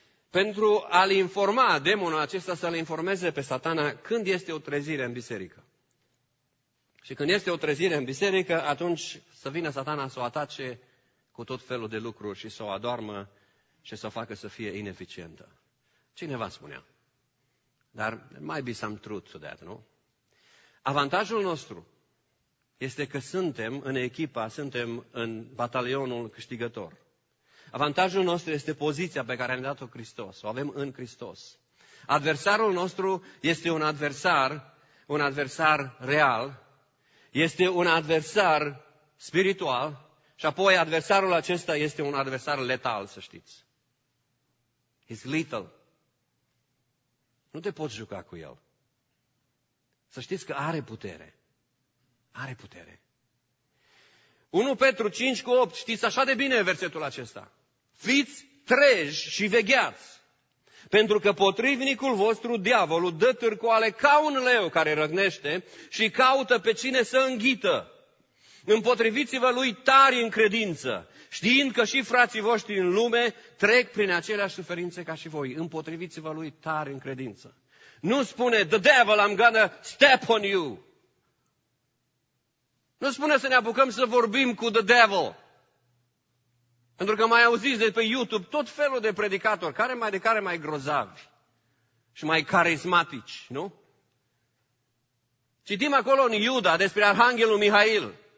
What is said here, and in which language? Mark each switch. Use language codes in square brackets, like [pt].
[ro] Pentru a-l informa, demonul acesta să-l informeze pe Satana când este o trezire în biserică. Și când este o trezire în biserică, atunci să vină Satana să o atace cu tot felul de lucruri și să o adoarmă și să o facă să fie ineficientă. Cineva spunea. Dar [en] might be some truth to that, [ro] nu? Avantajul nostru este că suntem în echipa, suntem în batalionul câștigător. Avantajul nostru este poziția pe care ne-a dat-o Hristos, o avem în Hristos. Adversarul nostru este un adversar real, este un adversar spiritual și apoi adversarul acesta este un adversar letal, să știți. [en] He's lethal. [ro] Nu te poți juca cu el. Să știți că are putere. Are putere. 1 Petru 5:8, știți așa de bine versetul acesta. Fiți treji și vegheați, pentru că potrivnicul vostru, diavolul, dă târcoale ca un leu care răgnește și caută pe cine să înghită. Împotriviți-vă lui tari în credință, știind că și frații voștri în lume trec prin aceleași suferințe ca și voi. Împotriviți-vă lui tari în credință. Nu spune, [en] the devil, I'm gonna step on you. [ro] Nu spune să ne apucăm să vorbim cu [en] the devil. [ro] Pentru că mai auziți de pe YouTube tot felul de predicatori, care mai grozavi. și mai carismatici, nu? Citim acolo în Iuda despre arhanghelul Mihail.